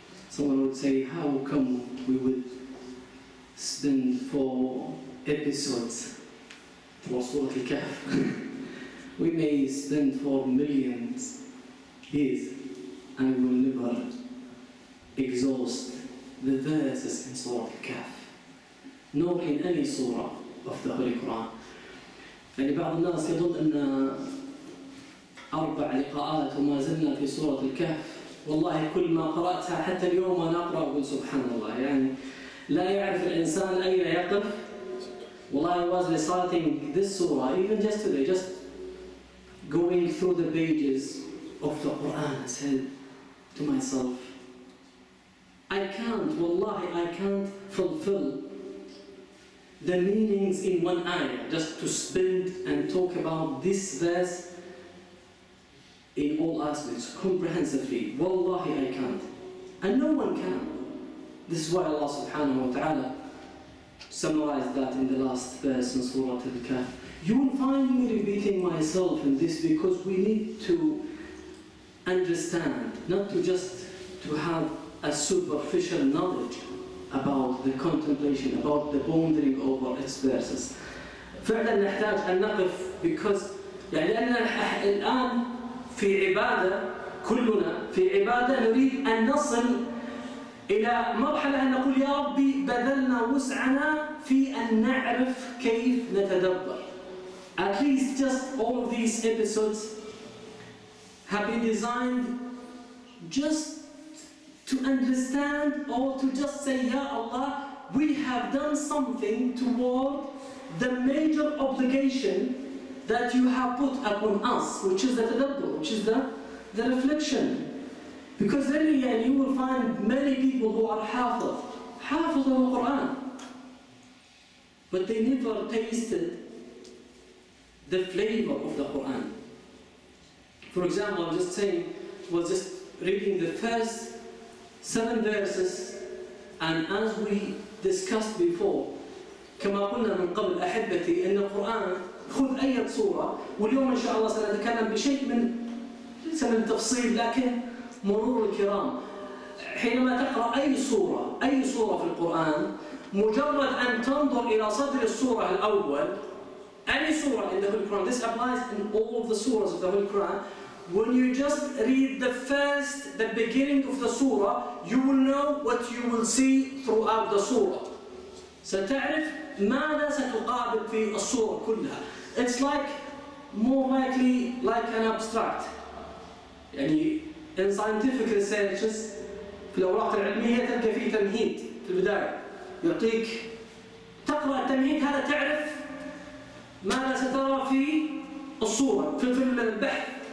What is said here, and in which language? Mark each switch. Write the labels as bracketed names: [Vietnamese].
[English] Someone would say, how come we would spend 4 episodes for Surah Al-Kahf? We may spend 4 million years and we will never exhaust the verses in Surah Al-Kahf, nor in any surah of the Holy Quran. [Arabic] يعني بعض الناس يظن أن 4 لقاءات وما زلنا في سورة الكهف، والله كل ما قرأتها حتى اليوم أنا أقرأ أقول سبحان الله. يعني لا يعرف الإنسان أين يقف. [English] والله I was reciting this surah even yesterday, just going through the pages of the Quran. I said to myself, I can't, والله I can't fulfill the meanings in one ayah, just to spend and talk about this verse in all aspects, comprehensively. Wallahi, I can't. And no one can. This is why Allah subhanahu wa ta'ala summarized that in the last verse in Surah Al-Kahf. You will find me repeating myself in this because we need to understand, not to just to have a superficial knowledge about the contemplation, about the pondering over its verses. [Arabic] فعلا نحتاج أن نقف، because يعني لأننا الآن في عبادة، كلنا في عبادة نريد أن نصل إلى مرحلة أن نقول يا ربي بذلنا وسعنا في أن نعرف كيف نتدبر. [English] At least just all of these episodes have been designed just to understand, or to just say, Ya Allah, we have done something toward the major obligation that you have put upon us, which is the tadabbur, which is the reflection. Because then again, you will find many people who are hafiz of the Quran, but they never tasted the flavor of the Quran. For example, I was just reading the first 7 verses, and as we discussed before, [Arabic] كما قلنا من قبل أحبتي أن القرآن خذ أي صورة، واليوم إن شاء الله سنتكلم بشيء من سنن تفصيل، لكن مرور الكرام حينما تقرأ أي صورة في القرآن، مجرد أن تنظر إلى صدر الصورة الأول، [English] any surah in the Holy Quran, this applies in all of the surahs of the Holy Quran. When you just read the beginning of the surah, you will know what you will see throughout the surah. [Arabic] ستعرف ماذا ستقابل في الصورة كلها. [English] It's like, more likely, like an abstract. [Arabic] يعني, [English] in scientific researches, [Arabic] في الأوراق العلمية تلقى فيه تمهيد في البداية. يعطيك, تقرأ التمهيد هذا تعرف ماذا سترى في الصورة, في البحث.